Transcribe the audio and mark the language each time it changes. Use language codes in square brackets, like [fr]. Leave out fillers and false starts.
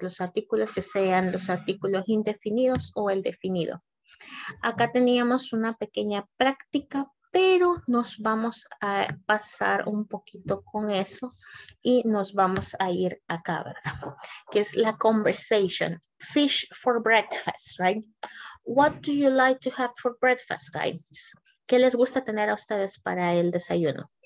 [es] Los artículos, ya sean los artículos indefinidos o el definido. Acá teníamos una pequeña práctica, pero nos vamos a pasar un poquito con eso y nos vamos a ir acá, ¿verdad? Que es la [en] conversation. Fish for breakfast, right? What do you like to have for breakfast, guys? [es] ¿Qué les gusta tener a ustedes para el desayuno?